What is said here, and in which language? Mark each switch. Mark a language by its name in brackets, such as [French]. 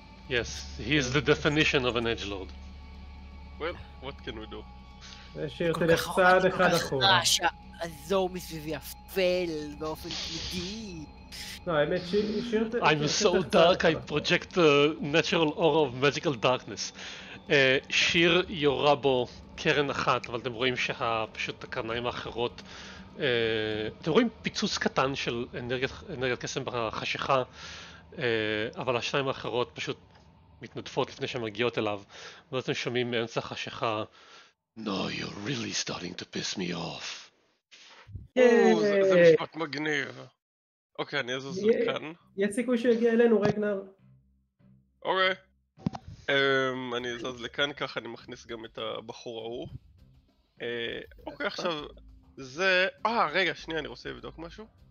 [English] Yes, he is the definition of an edgelord. Well, what can we do? [Hebrew] ושיר תלך צעד אחד אחורה. שהאזור מסביבי אפל באופן פלידי. לא, האמת, שיר תלך... [English] I'm so dark, I project a natural aura of magical darkness. [Hebrew] שיר יורה בו קרן אחת, אבל אתם רואים שפשוט הקרניים האחרות... אתם רואים פיצוץ קטן של אנרגיית קסם בחשיכה, אבל השניים האחרות פשוט מתנדפות לפני שהן מגיעות אליו. ואז אתם שומעים מאמצע החשיכה... [English] No, you're really starting to piss me off. [Hebrew] זה משפט מגניב. אוקיי, אני אזוז כאן. יש סיכוי שיגיע אלינו, רגנר. אוקיי. אני אזוז לכאן, ככה אני מכניס גם את הבחור ההוא. אוקיי, עכשיו זה... רגע, שנייה, אני רוצה לבדוק משהו.